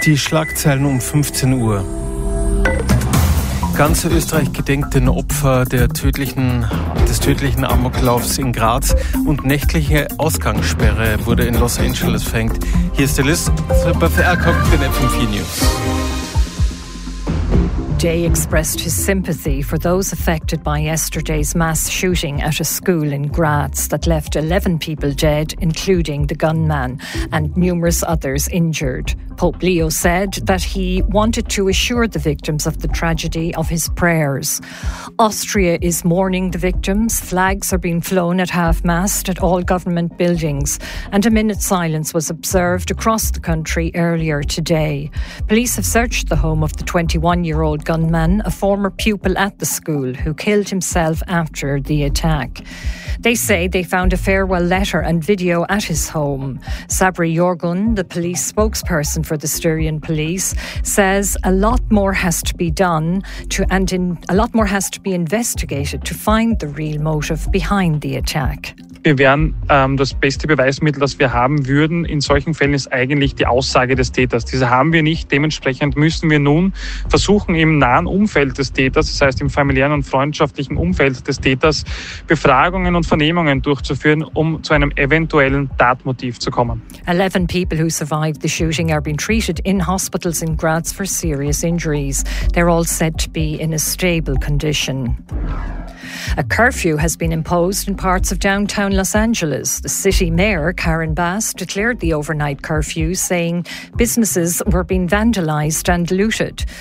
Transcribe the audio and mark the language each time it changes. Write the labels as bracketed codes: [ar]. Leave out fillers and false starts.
[de] Die Schlagzeilen um 15 Uhr. Ganz Österreich gedenkt den Opfer des tödlichen Amoklaufs in Graz und nächtliche Ausgangssperre wurde in Los Angeles verhängt. Hier ist die Liz Zipper für den FM4 News. [en] Jay expressed his sympathy for those affected by yesterday's mass shooting at a school in Graz that left 11 people dead, including the gunman, and numerous others injured. Pope Leo said that he wanted to assure the victims of the tragedy of his prayers. Austria is mourning the victims. Flags are being flown at half-mast at all government buildings, and a minute's silence was observed across the country earlier today. Police have searched the home of the 21-year-old gunman, a former pupil at the school, who killed himself after the attack. They say they found a farewell letter and video at his home. Sabri Jorgun, the police spokesperson for the Styrian police, says a lot more has to be done and a lot more has to be investigated to find the real motive behind the attack. [de] Wir wären das beste Beweismittel, das wir haben würden in solchen Fällen, ist eigentlich die Aussage des Täters. Diese haben wir nicht. Dementsprechend müssen wir nun versuchen, im nahen Umfeld des Täters, das heißt im familiären und freundschaftlichen Umfeld des Täters, Befragungen und Vernehmungen durchzuführen, um zu einem eventuellen Tatmotiv zu kommen. [en] 11 people who survived the shooting are being treated in hospitals in Graz for serious injuries. They're all said to be in a stable condition. A curfew has been imposed in parts of downtown Los Angeles. The city mayor, Karen Bass, declared the overnight curfew, saying businesses were being vandalized and looted.